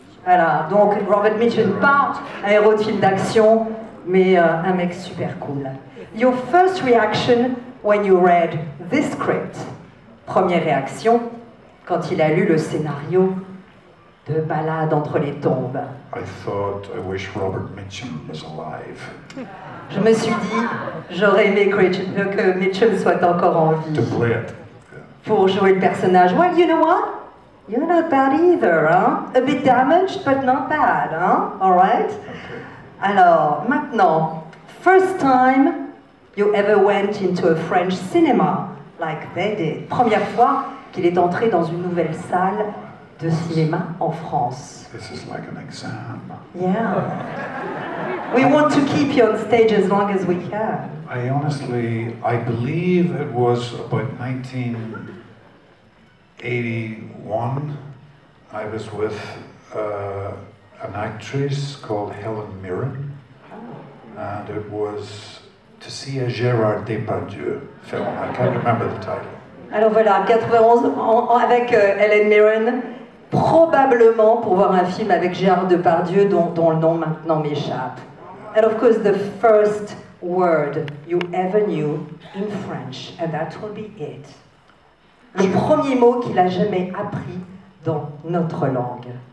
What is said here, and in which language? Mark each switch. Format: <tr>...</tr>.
<fr>Voilà, donc Robert Mitchum, pas un héros de film d'action, mais un mec super cool.</fr> <en>Your first reaction when you read this script?</en> <fr>Première réaction, quand il a lu le scénario de Balade entre les tombes.</fr> <en>I thought, I wish Robert Mitchum was alive.</en> <fr>Je me suis dit, j'aurais aimé que Mitchum soit encore en vie.</fr> <en>To play it.</en> <fr>Pour jouer le personnage.</fr> <en>Well, you know what? You're not bad either, hein? A bit damaged, but not bad, hein? All right? Okay.</en> <fr>Alors, maintenant,</fr> <en>first time you ever went into a French cinema, like they did.</en> <fr>Première fois qu'il est entré dans une nouvelle salle de cinéma en France.</fr> <en>This is like an exam. Yeah. We want to keep you on stage as long as we can. I honestly, I believe it was about 1981. I was with an actress called Helen Mirren. Oh. And it was to see a Gérard Depardieu film. I can't remember the title.</en> <fr>Alors voilà, 91 avec Helen Mirren. Probablement pour voir un film avec Gérard Depardieu dont le nom maintenant m'échappe.</fr> <en>And of course the first word you ever knew in French, and that will be it.</en> <fr>Le premier mot qu'il a jamais appris dans notre langue.</fr>